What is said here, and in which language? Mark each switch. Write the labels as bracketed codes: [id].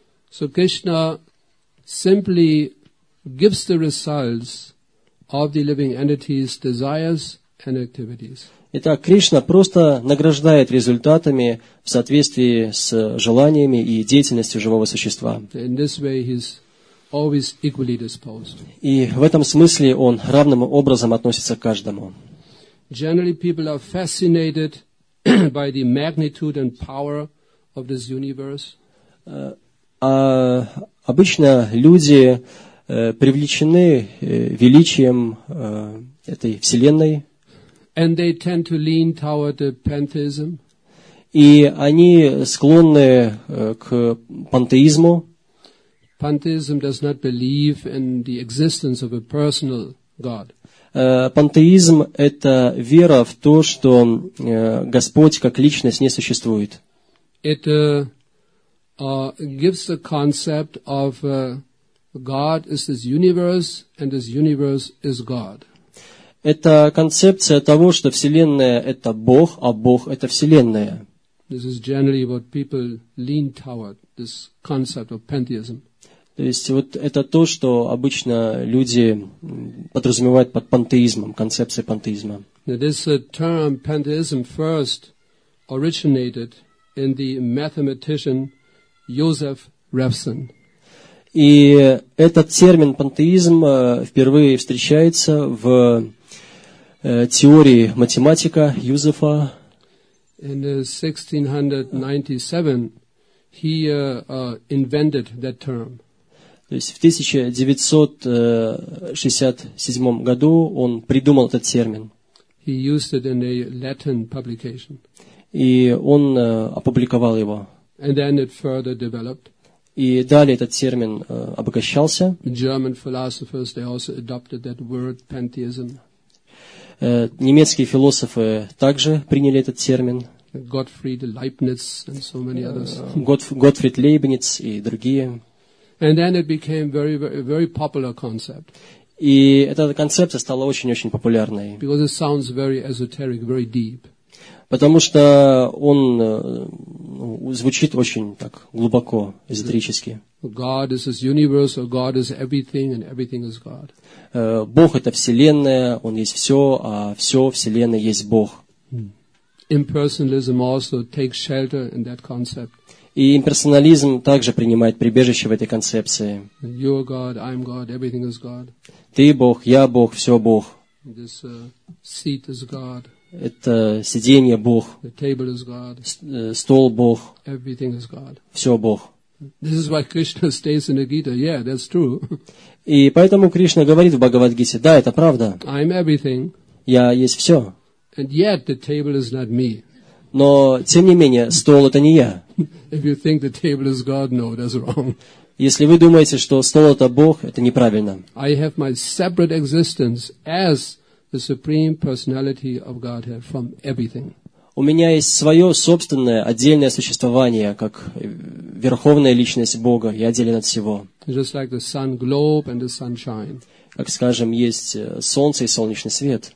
[en] So Krishna simply gives the results of the living entity's desires and activities. [ru] Итак, Кришна просто награждает результатами в соответствии с желаниями и деятельностью живого существа. [en] In this way he's always equally disposed. [ru] И в этом смысле он равным образом относится к каждому. [en] Generally people are fascinated by the magnitude and power of this universe. [ru] А обычно люди привлечены величием этой вселенной. [en] And they tend to lean toward the pantheism. [ru] И они склонны к пантеизму. [en] Pantheism does not believe in the existence of a personal God. [ru] Пантеизм – это вера в то, что Господь как личность не существует. Это [en] gives the concept of God is this universe and this universe is God. [ru] Это концепция того, что Вселенная – это Бог, а Бог – это Вселенная. [en] This is generally what people lean toward, this concept of pantheism. [ru] То есть вот это то, что обычно люди подразумевают под пантеизмом, концепцией пантеизма. [en] Now this term pantheism first originated in the mathematician Joseph Revson. [ru] И этот термин пантеизм впервые встречается в теории математика Юзефа. [en] In 1697 he invented that term. [ru] То есть в 1967 году он придумал этот термин. [en] He used it in a Latin publication. [ru] И он опубликовал его. [en] And then it further developed. [ru] И далее этот термин обогащался. [en] German philosophers, they also adopted that word pantheism. [ru] Немецкие философы также приняли этот термин. [en] Gottfried Leibniz and so many others. [ru] Готфрид Лейбниц и другие. [en] And then it became very, very, very popular concept. [ru] И эта концепция стала очень-очень популярной. [en] Because it sounds very esoteric, very deep. [ru] Потому что он звучит очень так глубоко, эзотерически. [en] God is this universe, or God is everything, and everything is God. [ru] Бог – это Вселенная, Он есть все, а все Вселенная есть Бог. [en] Impersonalism also takes shelter in that concept. [ru] И имперсонализм также принимает прибежище в этой концепции. [en] You are God, I am God, everything is God. [ru] Ты – Бог, я – Бог, все – Бог. [en] This seat is God. [ru] Это сиденье – Бог. [en] The table is God. [ru] Стол – Бог. [en] Everything is God. [ru] Все – Бог. [en] This is why Krishna states in the Gita, yeah, that's true. [ru] И поэтому Кришна говорит в Бхагавад-гите, да, это правда. [en] I'm everything. [ru] Я есть все. [en] And yet the table is not me. [ru] Но, тем не менее, стол – это не я. [en] If you think the table is God, no, that's wrong. [ru] Если вы думаете, что стол – это Бог, это неправильно. [en] I have my separate existence as the Supreme Personality of Godhead from everything. [ru] У меня есть свое собственное отдельное существование, как верховная личность Бога, я отделен от всего. [en] Just like the sun globe and the sunshine. [ru] Как, скажем, есть солнце и солнечный свет.